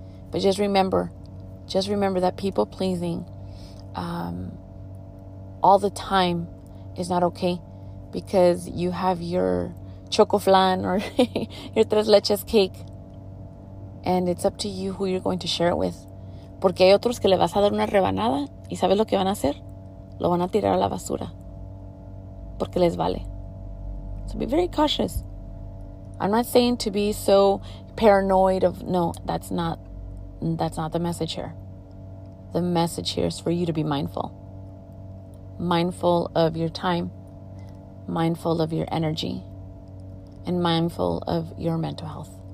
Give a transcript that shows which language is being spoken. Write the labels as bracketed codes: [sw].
[en] But just remember that people pleasing all the time is not okay, because you have your choco flan or your tres leches cake, and it's up to you who you're going to share it with. [es] Porque hay otros que le vas a dar una rebanada y sabes lo que van a hacer, lo van a tirar a la basura porque les vale. [en] So be very cautious. I'm not saying to be so paranoid of, no, that's not the message here. The message here is for you to be mindful of your time, mindful of your energy, and mindful of your mental health.